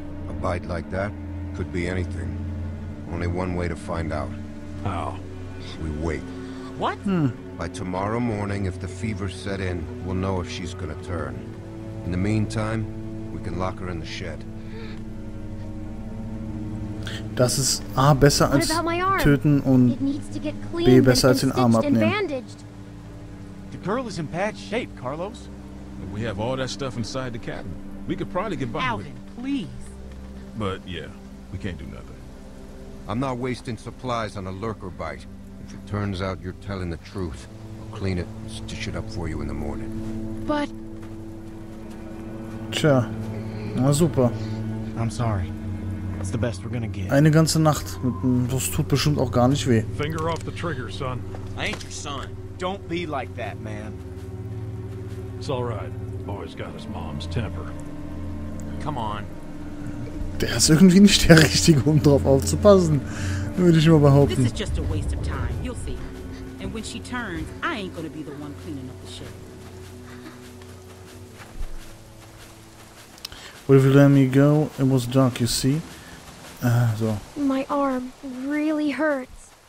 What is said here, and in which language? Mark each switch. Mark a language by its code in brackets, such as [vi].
[en] A bite like that? Could be anything. Only one way to find out. How? We wait. What? By tomorrow morning, if the fever set in, we'll know if she's gonna turn. In the meantime, we can lock her in the shed. [de] Das ist A, besser als töten und B, besser als den Arm abnehmen. [en] The girl is in bad shape, Carlos. We have all that stuff inside the cabin. We could probably get by with it. Please. But yeah. We can't do nothing. I'm not wasting supplies on a lurker bite. If it turns out you're telling the truth, I'll clean it and stitch it up for you in the morning. But... [de] Tja. Na super. [en] I'm sorry. It's the best we're gonna get. [de] Eine ganze Nacht. Das tut bestimmt auch gar nicht weh. [en] Finger off the trigger, son. I ain't your son. Don't be like that, man. It's alright. Boy's got his mom's temper. Come on. [de] Der ist irgendwie nicht der Richtige, um drauf aufzupassen, würde ich mal behaupten. [en] This is just a waste of time, you'll see. And when she turns, I ain't gonna be the one cleaning up the shit. Well, if you let me go, it was dark, you see. So. My arm really hurts.